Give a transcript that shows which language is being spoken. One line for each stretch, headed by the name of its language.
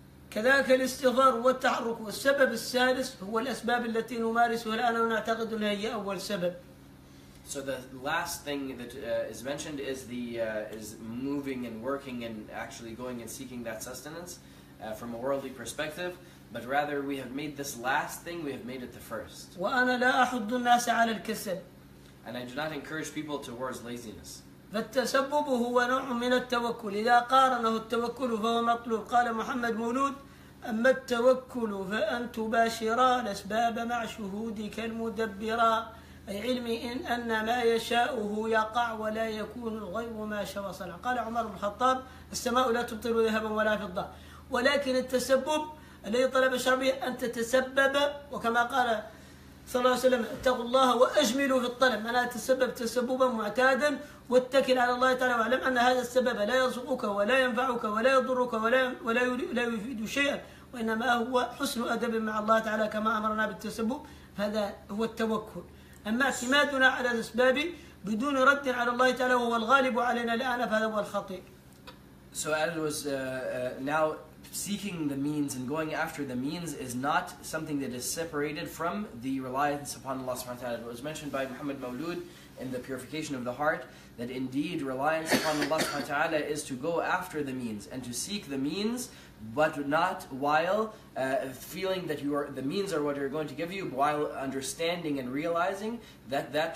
Arabic: كذلك الاستغفار والتحرك والسبب الثالث هو الأسباب التي نمارسها الآن ونعتقد أنها هي أول سبب.
English: So the last thing that is mentioned is the is moving and working and actually going and seeking that sustenance from a worldly perspective, but rather we have made this last thing we have made it the first.
Arabic: وأنا لا أحض الناس على الكسل.
English: And I do not encourage people towards laziness.
Arabic: فالتسبب هو نوع من التوكل. إذا قارنه التوكل فهو مطلوب. قال محمد مولود أما التوكل فأن تباشرا الأسباب مع شهودك المدبرا أي علمي إن أن ما يشاءه يقع ولا يكون الغيب ما شاء وصنع. قال عمر بن الخطاب السماء لا تبطل ذهبا ولا فضة ولكن التسبب الذي طلب الشرعي أن تتسبب وكما قال صلى الله عليه وسلم اتقوا الله وأجملوا في الطلب أنا تسبب تسببا معتادا واتكل على الله تعالى واعلم أن هذا السبب لا يصدقك ولا ينفعك ولا يضرك ولا يفيد شيئا وإنما هو حسن أدب مع الله تعالى كما أمرنا بالتسبب هذا هو التوكل أما اعتمادنا على الأسباب بدون رد على الله تعالى هو الغالب علينا الآن فهذا هو الخطئ.
English: So as it was now seeking the means and going after the means is not something that is separated from the reliance upon Allah subhanahu wa ta'ala. It was mentioned by Muhammad Mawlud in the purification of the heart that indeed reliance upon Allah subhanahu wa ta'ala is to go after the means and to seek the means, but not while feeling that you are the means are what you're going to give you, while understanding and realizing that that